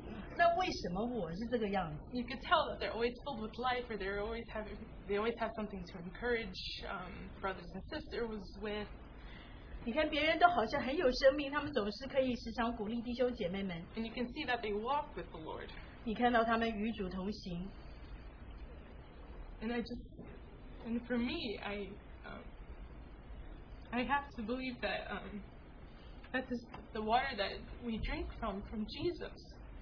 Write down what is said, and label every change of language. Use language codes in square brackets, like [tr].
[zh] 我后来就想象我的生命，我其实可以当但以理的，但是我看看别人为什么他们就不干渴？那为什么我是这个样子？ [en] You could tell that they're always filled with life, or they're always having, they always have something to encourage brothers and sisters with. [zh] 你看别人都好像很有生命，他们总是可以时常鼓励弟兄姐妹们。 [en] And you can see that they walk with the Lord. [zh] 你看到他们与主同行。 [en] And I just, and for me, I have to believe that that is the water that we drink from Jesus.